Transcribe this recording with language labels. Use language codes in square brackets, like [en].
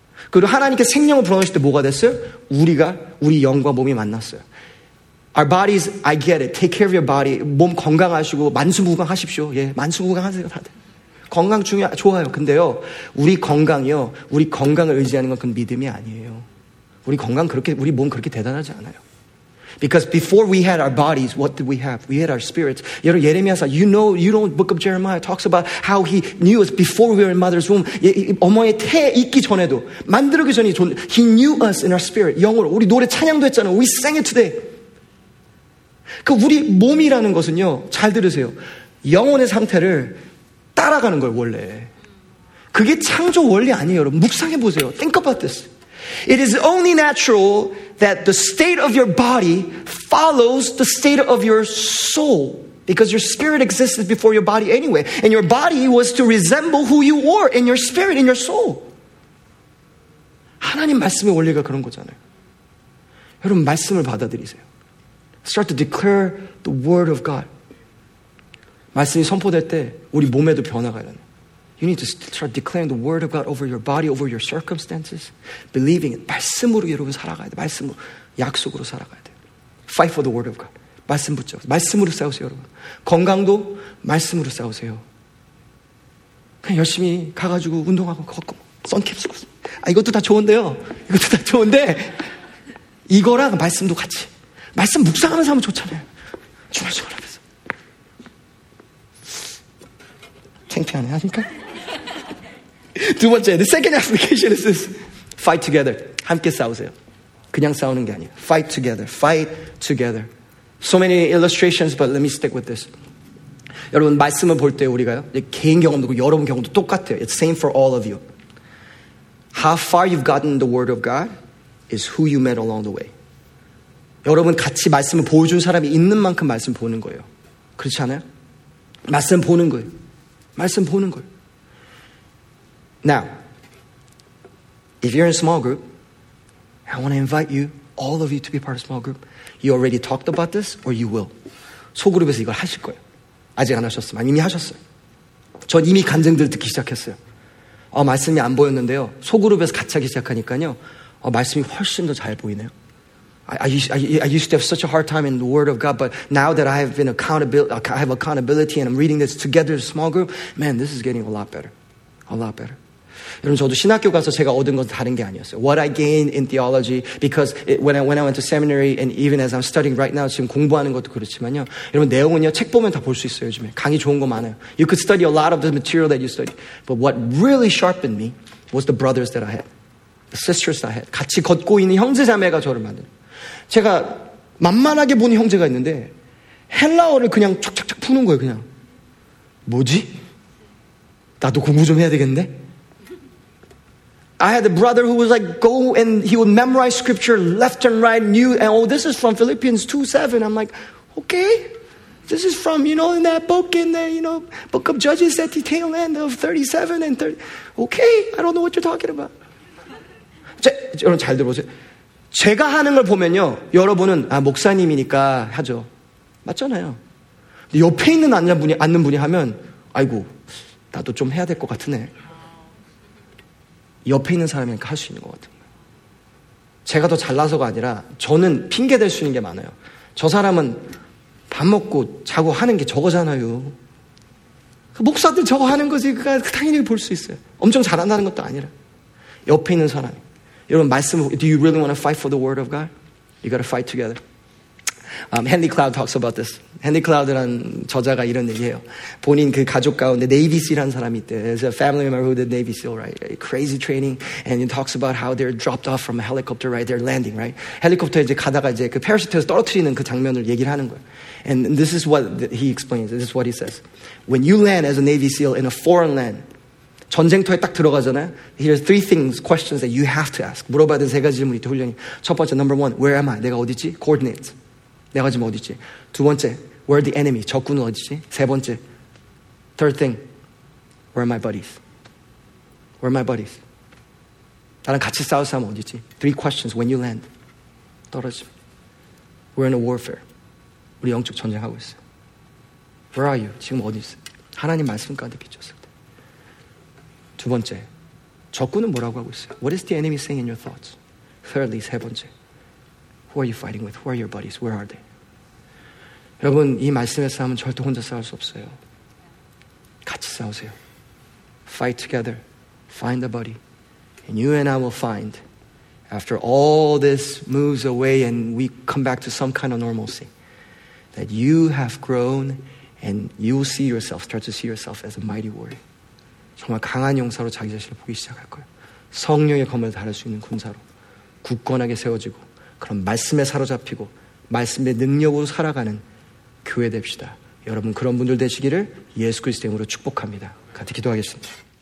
[ko] 그리고 하나님께 생명을 불어넣으실 때 뭐가 됐어요? 우리 영과 몸이 만났어요. [en] Our bodies, I get it. Take care of your body. [ko] 몸 건강하시고 만수무강하십시오. 예, 만수무강하세요, 다들. 건강 중요 좋아요. 근데요, 우리 건강이요, 우리 건강을 의지하는 건 그 믿음이 아니에요. 우리 건강 그렇게, 우리 몸 그렇게 대단하지 않아요. [en] Because before we had our bodies, what did we have? We had our spirits. [ko] 여러분, 예레미야서, [en] you know, you know, Book of Jeremiah talks about how he knew us before we were in mother's womb. [ko] 어머니의 태에 있기 전에도, 만들기 전에, [en] he knew us in our spirit. [ko] 영어로, 우리 노래 찬양도 했잖아요. [en] We sang it today. [ko] 그 우리 몸이라는 것은요, 잘 들으세요. 영혼의 상태를 따라가는 걸 원래. 그게 창조 원리 아니에요, 여러분. 묵상해 보세요. [en] Think about this. It is only natural that the state of your body follows the state of your soul. Because your spirit existed before your body anyway. And your body was to resemble who you were in your spirit, in your soul. [ko] 하나님 말씀의 원리가 그런 거잖아요. 여러분, 말씀을 받아들이세요. [en] Start to declare the word of God. [ko] 말씀이 선포될 때 우리 몸에도 변화가 일어나요. [en] You need to start declaring the word of God over your body, over your circumstances. Believing it. [ko] 말씀으로 여러분 살아가야 돼. 말씀으로. 약속으로 살아가야 돼. [en] Fight for the word of God. [ko] 말씀 붙잡으세요. 말씀으로 싸우세요, 여러분. 건강도 말씀으로 싸우세요. 그냥 열심히 가가지고 운동하고 걷고. 선캡 쓰고. 아, 이것도 다 좋은데요. 이것도 다 좋은데. 이거랑 말씀도 같이. 말씀 묵상하는 사람은 좋잖아요. 주말주말 하면서. 창피하네, 하니까? 두 번째, [en] the second application is this. Fight together. [ko] 함께 싸우세요. 그냥 싸우는 게 아니에요. [en] Fight together. Fight together. So many illustrations, but let me stick with this. [ko] 여러분, 말씀을 볼 때 우리가요, 개인 경험도 있고 여러분 경험도 똑같아요. [en] It's same for all of you. How far you've gotten the word of God is who you met along the way. [ko] 여러분 같이 말씀을 보여준 사람이 있는 만큼 말씀 보는 거예요. 그렇지 않아요? 말씀 보는 거예요. 말씀 보는 걸. [en] Now, if you're in a small group, I want to invite you, all of you, to be part of a small group. You already talked about this, or you will. [ko] 소그룹에서 이걸 하실 거예요. 아직 안 하셨으면 이미 하셨어요. 전 이미 간증들 듣기 시작했어요. 말씀이 안 보였는데요. 소그룹에서 같이 하기 시작하니까요. 말씀이 훨씬 더 잘 보이네요. [en] I used to have such a hard time in the Word of God, but now that I have been accountable, I have accountability, and I'm reading this together as a small group, man, this is getting a lot better, a lot better. [ko] 여러분, 저도 신학교 가서 제가 얻은 건 다른 게 아니었어요. [en] What I gained in theology, because it, when I went to seminary, and even as I'm studying right now, [ko] 지금 공부하는 것도 그렇지만요. 여러분, 내용은요, 책 보면 다 볼 수 있어요, 요즘에. 강의 좋은 거 많아요. [en] You could study a lot of the material that you study, but what really sharpened me was the brothers that I had, the sisters I had. [ko] 같이 걷고 있는 형제자매가 저를 만든. 제가 만만하게 보는 형제가 있는데 헬라어를 그냥 촥촥촥 푸는 거예요. 그냥 뭐지? 나도 공부 좀 해야 되겠는데? [en] I had a brother who was like go and he would memorize scripture left and right, knew, and oh, this is from Philippians 2:7. I'm like, okay, this is from, you know, in that book, in the, you know, Book of Judges at the tail end of 37 and 30. Okay, I don't know what you're talking about. [ko] 여러분 잘 들어보세요. 제가 하는 걸 보면요, 여러분은 아, 목사님이니까 하죠. 맞잖아요. 근데 옆에 있는 앉는 분이 하면 아이고, 나도 좀 해야 될 것 같으네. 옆에 있는 사람이니까 할 수 있는 것 같은 거예요. 제가 더 잘나서가 아니라 저는 핑계될 수 있는 게 많아요. 저 사람은 밥 먹고 자고 하는 게 저거잖아요. 그 목사들 저거 하는 거지. 그러니까 당연히 볼 수 있어요. 엄청 잘한다는 것도 아니라 옆에 있는 사람이. 여러분, 말씀, [en] do you really want to fight for the word of God? You got to fight together. Henry Cloud talks about this. [ko] Henry Cloud라는 저자가 이런 얘기해요. 본인 그 가족 가운데 Navy SEAL라는 사람이 있대. [en] There's a family member who did Navy SEAL, right? A crazy training. And he talks about how they're dropped off from a helicopter, right? They're landing, right? [ko] 헬리콥터에 이제 가다가 이제 그 패러슈트에서 떨어뜨리는 그 장면을 얘기를 하는 거예요. [en] And this is what he explains. This is what he says. When you land as a Navy SEAL in a foreign land, [ko] 전쟁터에 딱 들어가잖아요. [en] Here are three things, questions that you have to ask. [ko] 물어봐야 되는 세 가지 질문이 있대, 훈련이. 첫 번째, [en] number one, where am I? [ko] 내가 어디 있지? Coordinates. 내가 지금 어디 있지? 두 번째, [en] where are the enemy? [ko] 적군은 어디 있지? 세 번째, [en] third thing, where are my buddies? Where are my buddies? [ko] 나랑 같이 싸울 사람은 어디 있지? [en] Three questions, when you land. [ko] 떨어짐. [en] We're in a warfare. [ko] 우리 영적 전쟁하고 있어. [en] Where are you? [ko] 지금 어디 있어? 하나님 말씀 가운데 비쳤어. 두 번째, 적군은 뭐라고 하고 있어요? [en] What is the enemy saying in your thoughts? Thirdly, [ko] 세 번째, [en] who are you fighting with? Who are your buddies? Where are they? [ko] 여러분, 이 말씀에 싸우면 절대 혼자 싸울 수 없어요. 같이 싸우세요. [en] fight together, find the body, and you and I will find, after all this moves away and we come back to some kind of normalcy, that you have grown and you will see yourself, start to see yourself as a mighty warrior. [ko] 정말 강한 용사로 자기 자신을 보기 시작할 거예요. 성령의 검을 다룰 수 있는 군사로 굳건하게 세워지고 그런 말씀에 사로잡히고 말씀의 능력으로 살아가는 교회 됩시다. 여러분 그런 분들 되시기를 예수 그리스도의 이름으로 축복합니다. 같이 기도하겠습니다.